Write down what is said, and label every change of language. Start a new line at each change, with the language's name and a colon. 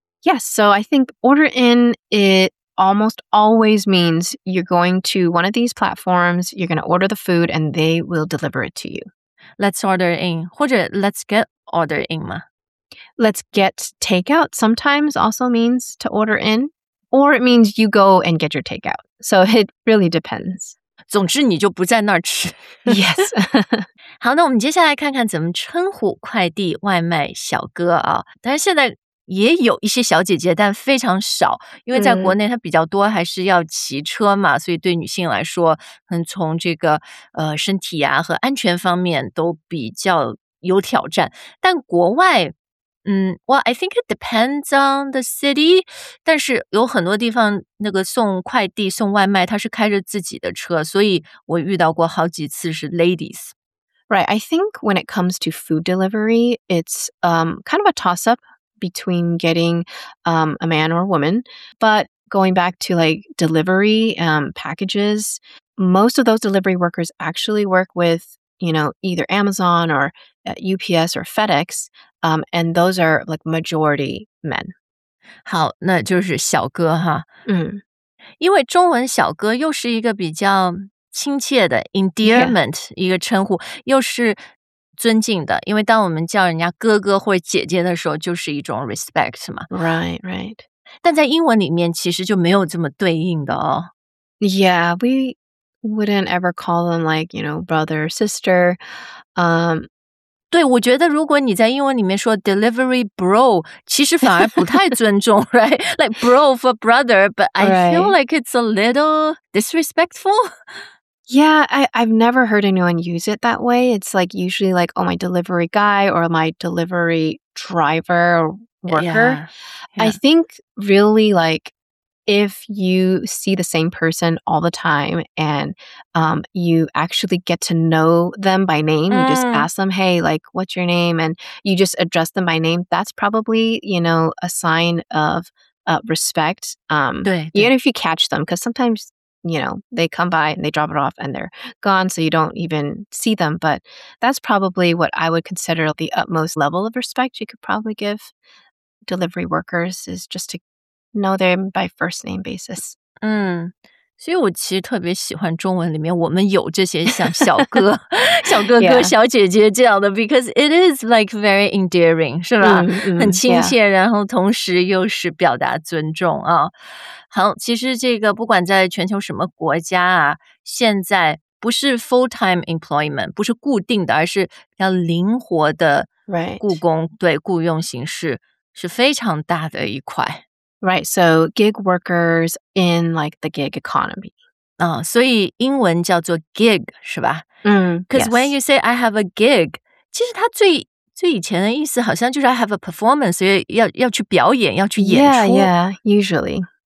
English: Yes, so I think order in, it almost always means you're going to one of these platforms, you're going to order the food, and they will deliver it to you. Let's order in. 或者 let's get order in 吗? Let's get takeout sometimes also means to order in, or it means you go and get your takeout. So it really depends.
Chinese: 总之你就不在那儿吃。
English: Yes.
Chinese: 好，那我们接下来看看怎么称呼快递外卖小哥啊。但是现在也有一些小姐姐，但非常少，因为在国内它比较多还是要骑车嘛，所以对女性来说，很从这个身体啊和安全方面都比较有挑战。但国外
English: well, I think it depends on the city.
Chinese: 但是有很多地方那个送快递、送外卖，他是开着自己的车，所以我遇到过好几次是 ladies.
English: Right, I think when it comes to food delivery, it's kind of a toss-up between getting a man or a woman. But going back to like delivery packages, most of those delivery workers actually work with, you know, either Amazon or UPS or FedEx. And those are like majority men.
Chinese: 好，那就是小哥哈。嗯，因为中文小哥又是一个比较亲切的 endearment、yeah. 一个称呼，又是尊敬的。因为当我们叫人家哥哥或者姐姐的时候，就是一种 respect 嘛。
English: Right, right.
Chinese: 但在英文里面其实就没有这么对应的哦。
English: Yeah, we wouldn't ever call them like, you know, brother, sister.
Chinese: 对，我觉得如果你在英文里面说 delivery bro, 其实反而不太尊重right?
English: Like bro for brother, but I、right. feel like it's a little disrespectful. Yeah, I've never heard anyone use it that way. It's like usually like, oh, my delivery guy or my delivery driver or worker. Yeah. Yeah. I think really like if you see the same person all the time and you actually get to know them by name, you just ask them, hey, like, what's your name? And you just address them by name. That's probably, you know, a sign of respect.
Chinese: 对,
English: even if you catch them, because sometimes, you know, they come by and they drop it off and they're gone. So you don't even see them. But that's probably what I would consider the utmost level of respect you could probably give delivery workers is just to,know them by first name basis.
Chinese: 所以我其实特别喜欢中文里面我们有这些像小哥小哥哥、
English: yeah.
Chinese: 小姐姐这样的
English: because it is like very endearing,
Chinese: 是吧、很亲切、
English: yeah.
Chinese: 然后同时又是表达尊重啊。好，其实这个不管在全球什么国家啊，现在不是 full-time employment, 不是固定的，而是要灵活的雇工、
English: right.
Chinese: 对雇用形式是非常大的一块。
English: Right, so gig workers in like the gig economy.
Chinese: 所以英文叫做 gig, 是吧？
English: Because when you say I have a gig,
Chinese: 其实它最以前的意思好像就是
English: I have a performance,
Chinese: 所以要去表演，要去演出。
English: Yeah, yeah, usually.